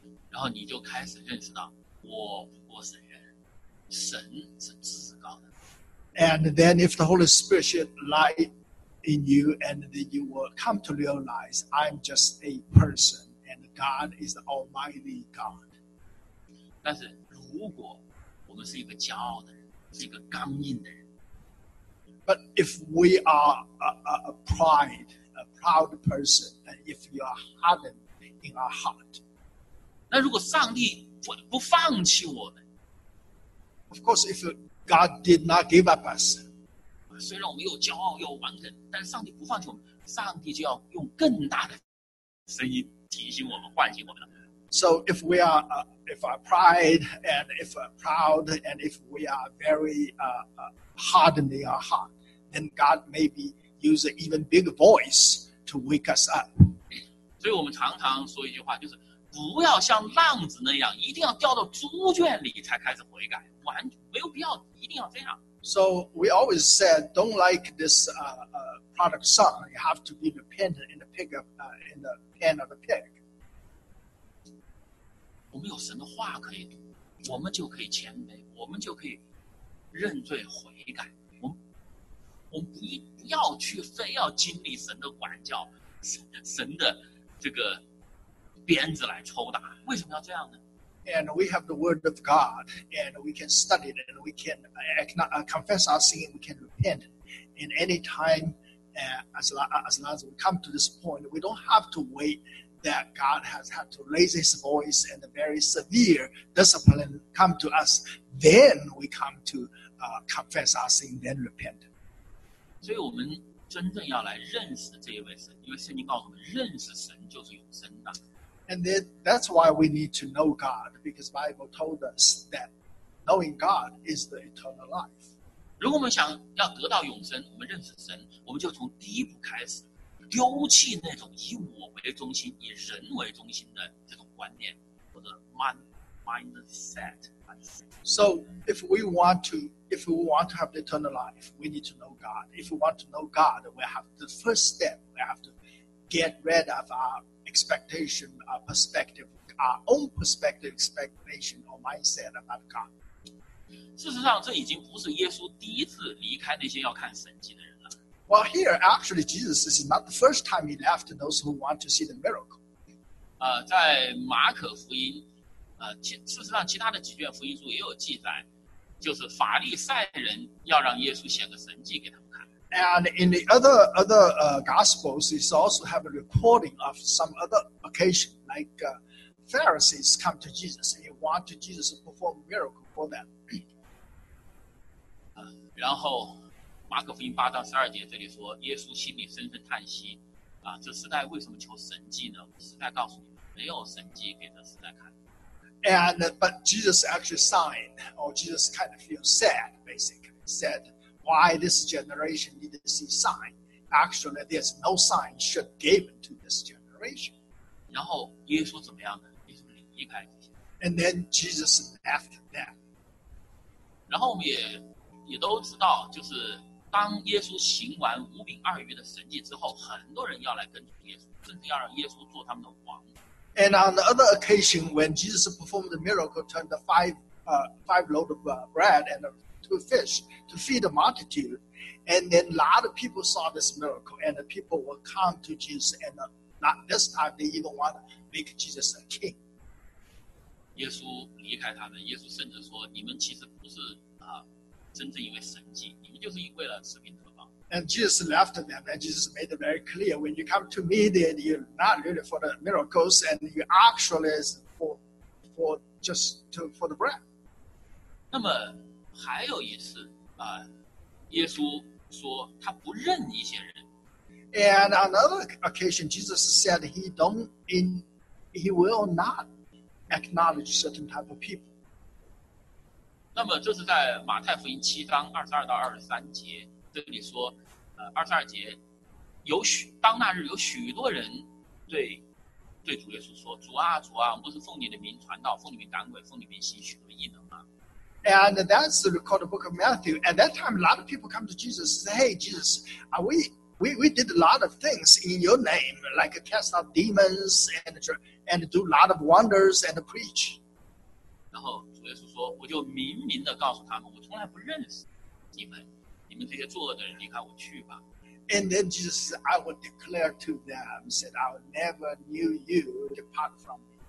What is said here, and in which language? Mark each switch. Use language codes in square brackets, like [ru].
[zh] 然后你就开始认识到，我不过是人，神是至高的。 [en] And then, if the Holy Spirit should light in you, and then you will come to realize, I'm just a person, and God is the Almighty God. [zh] 但是如果我们是一个骄傲的人，是一个刚硬的人 [en] ，But if we are a pride, a proud person, and if you are hardened in our heart, [zh] 那如果上帝不放弃我们 [en] ，Of course, if God did not give up us, [zh] 虽然我们又骄傲又顽梗，但上帝不放弃我们，上帝就要用更大的声音提醒我们，唤醒我们了。 [en] So if we are if our pride and if we are proud and if we are very hardened in our heart, then God maybe use an even bigger voice to wake us up. [zh] 所以我们常常说一句话，就是不要像浪子那样，一定要掉到猪圈里才开始悔改，完没有必要，一定要这样。 [en] So we always said, don't like this product song. You have to be repentant in the pig of, in the pen of the pig. [zh] 我们有神的话可以读，我们就可以谦卑，我们就可以认罪悔改。我们不要去非要经历神的管教，神的这个鞭子来抽打。为什么要这样呢 [en] ？And we have the word of God, and we can study it, and we can confess our sin, we can repent in any time. As long as we come to this point, we don't have to wait. That God has had to raise His voice and a very severe discipline come to us, then we come to confess our sin, then repent. So we [zh] 们真正要来认识这一位神，因为圣经告诉我们，认识神就是永生的。 [en] And then that's why we need to know God, because Bible told us that knowing God is the eternal life. [zh] 如果我们想要得到永生，我们认识神，我们就从第一步开始。丢弃那种以我为中心、以人为中心的这种观念或者慢 [en] mindset. So if we want to have the eternal life, we need to know God. If we want to know God, we have the first step. We have to get rid of our expectation, our perspective, our own perspective, expectation or mindset about God. [zh] 事实上，这已经不是耶稣第一次离开那些要看神迹的人了。 [en] Well, here actually Jesus is not the first time he left those who want to see the miracle. [zh] 在马可福音，事实上其他的几卷福音书也有记载，就是法利赛人要让耶稣显个神迹给他们看。 [en] And in the other gospels, it also have a recording of some other occasion, like Pharisees come to Jesus and want to Jesus perform miracle for them. [zh] 然后马可福音八章十二节这里说，耶稣心里深深叹息，这世代为什么求神迹呢？世代告诉你们，没有神迹给这世代看。 [en] But Jesus actually sighed, or Jesus kind of feels sad, basically. Said, why this generation needed to see sign? Actually, there's no sign should given to this generation. [zh] 然后耶稣怎么样呢？耶稣离开这些。 [en] And then Jesus left them. [zh] 然后我们也都知道，就是当耶稣行完五饼二鱼的神迹之后，很多人要来跟从耶稣，甚至要让耶稣做他们的王。 [en] And on the other occasion, when Jesus performed the miracle, turned the five loaves of bread and two fish to feed the multitude, and then a lot of people saw this miracle, and the people will come to Jesus, and not this time they even want to make Jesus a king. [zh] 耶稣离开他们，耶稣甚至说：“你们其实不是真正因为神迹，你们就是因为了吃饼得饱。” [en] And Jesus left them, and Jesus made it very clear: when you come to me, then you're not really for the miracles, and you actually is for the bread. [zh] 那么还有一次耶稣说他不认一些人。 [en] And on another occasion, Jesus said he will not acknowledge certain type of people. [zh] 那么这是在马太福音七章二十二到二十三节，这里说，二十二节，当那日有许多人对主耶稣说：“主啊，主啊，不是奉你的名传道，奉你名赶鬼，奉你名行许多异能吗？” [en] And that's recorded the book of Matthew. At that time, a lot of people come to Jesus and say, "Hey, Jesus, we did a lot of things in your name, like cast out demons and do a lot of wonders and preach." [zh] 然后。耶稣说：“我就明明的告诉他们，我从来不认识你们，你们这些作恶的人，离开我去吧。” [en] And then Jesus said, "I will declare to them, said I will never knew you, depart from me."